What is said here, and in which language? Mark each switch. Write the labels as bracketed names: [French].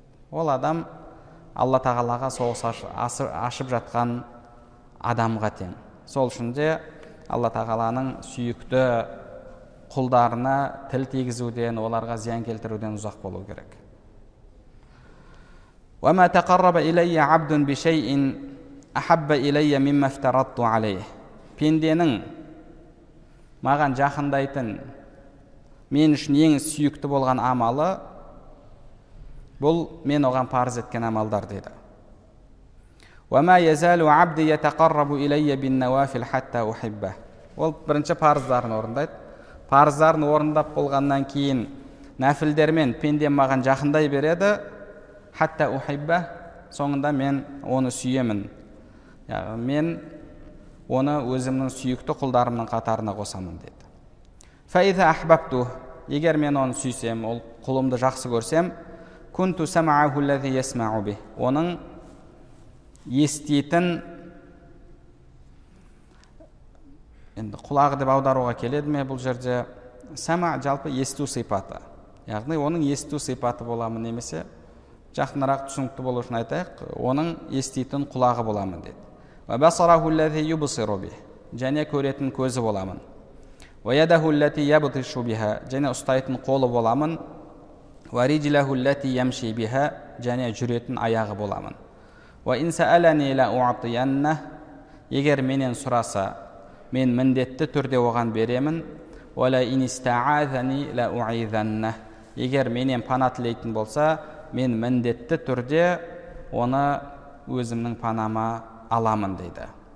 [Kazakh] Ол адам Алла тағалаға соғыс ашып жатқан адамға тең. Сол үшін де Алла тағаланың сүйікті құлдарына тіл тигізуден, оларға зиян келтіруден ұзақ болу керек. [Arabic] وما تقرب إلي عبد بشيء أحب إلي مما افترضت عليه. [Kazakh] Пенденің маған жақындайтын мен үшін ең сүйікті болған амалы бұл мен оған парыз еткен амалдар деді. [Arabic] وما يزال عبدي يتقرب إلي بالنوافل حتى أحبه. [Kazakh] Ол бірінші парыздарын орындайды. Парыздарын орындап болғаннан кейін нәфілдермен пенде маған жақындай береді. [Arabic] Хатта ухайба, [Kazakh] соңында мен оны сүйемін. Мен оны өзімнің сүйікті құлдарымның қатарына қосамын деді. [Arabic] Фаиза ахбабту, [Kazakh] егер мен оны сүйсем, ол құлымды жақсы көрсем, [Arabic] кунту самаху аллази йасмау би. [Kazakh] Оның еститін енді құлағы деп аударуға келеді ме бұл жерде? Сама жалпы есту сипаты. Яғни оның есту сипаты боламын немесе жақынырақ түсінікті болу үшін айтайық, оның еститін құлағы боламын деді. [Arabic] Ва басарахул лази юбсиру би, [Kazakh] және көретін көзі боламын. [Arabic] Ва ядахул лати ябтышу биха, [Kazakh] және ұстайтын қолы боламын. [Arabic] Ва риджилахул лати ямши биха, [Kazakh] және жүретін аяғы боламын. [Arabic] Ва ин саалани ла уътиянна, [Kazakh] егер менен сұраса, мен міндетті түрде оған беремін. [Arabic] Ва ла ин истаазани ла уъизанна, [Kazakh] егер менен пана тілейтін болса, мен міндетті түрде оны өзімнің панама аламын дейді.